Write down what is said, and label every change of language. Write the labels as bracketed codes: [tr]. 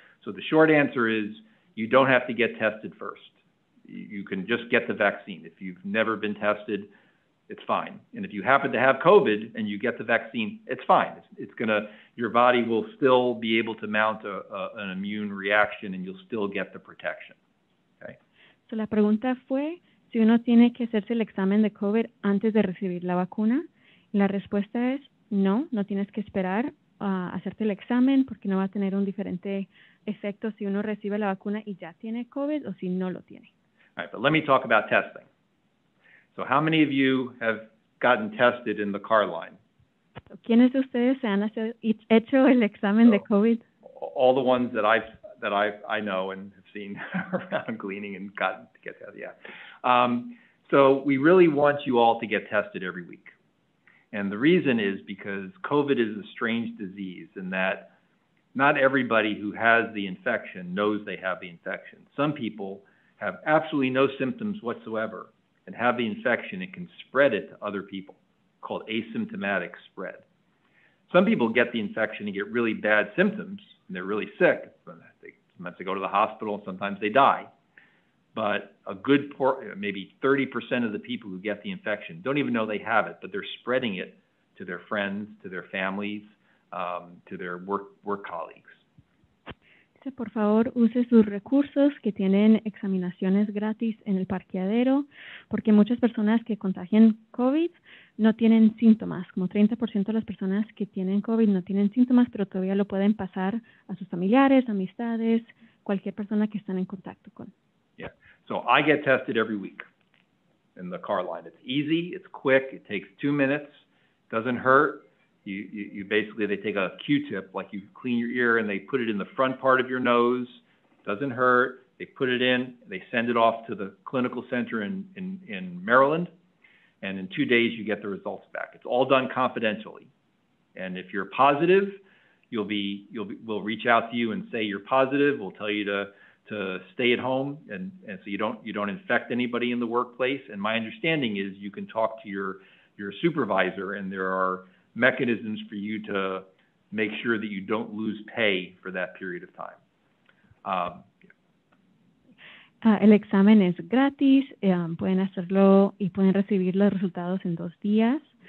[en] So the short answer is, you don't have to get tested first. You can just get the vaccine. If you've never been tested, it's fine. And if you happen to have COVID and you get the vaccine, it's fine. Your body will still be able to mount an immune reaction, and you'll still get the protection. [es] So la pregunta fue si uno tiene que hacerse el examen de COVID antes de recibir la vacuna. La respuesta es no, no tienes que esperar a hacerte el examen porque no va a tener un diferente efecto si uno recibe la vacuna y ya tiene COVID o si no lo tiene. [en] All right, but let me talk about testing. So how many of you have gotten tested in the car line? [es] ¿Quiénes de ustedes se han hecho el examen de COVID? [en] All the ones that I know and have seen around cleaning and gotten to get tested. Yeah. So we really want you all to get tested every week. And the reason is because COVID is a strange disease in that not everybody who has the infection knows they have the infection. Some people have absolutely no symptoms whatsoever and have the infection and can spread it to other people, called asymptomatic spread. Some people get the infection and get really bad symptoms and they're really sick. Sometimes they go to the hospital, sometimes they die. But a good maybe 30% of the people who get the infection don't even know they have it, but they're spreading it to their friends, to their families, to their work colleagues. [es] Dice, por favor, use sus recursos que tienen examinaciones gratis en el parqueadero, porque muchas personas que contagian COVID no tienen síntomas. Como 30% de las personas que tienen COVID no tienen síntomas, pero todavía lo pueden pasar a sus familiares, amistades, cualquier persona que están en contacto con. [en] Yeah. So I get tested every week in the car line. It's easy. It's quick. It takes 2 minutes. Doesn't hurt. You basically, they take a Q-tip, like you clean your ear, and they put it in the front part of your nose. Doesn't hurt. They put it in. They send it off to the clinical center in Maryland. And in 2 days, you get the results back. It's all done confidentially. And if you're positive, we'll reach out to you and say you're positive. We'll tell you to stay at home and so you don't infect anybody in the workplace. And my understanding is you can talk to your supervisor, and there are mechanisms for you to make sure that you don't lose pay for that period of time. [es] El examen es gratis, pueden hacerlo y pueden recibir los resultados en dos días.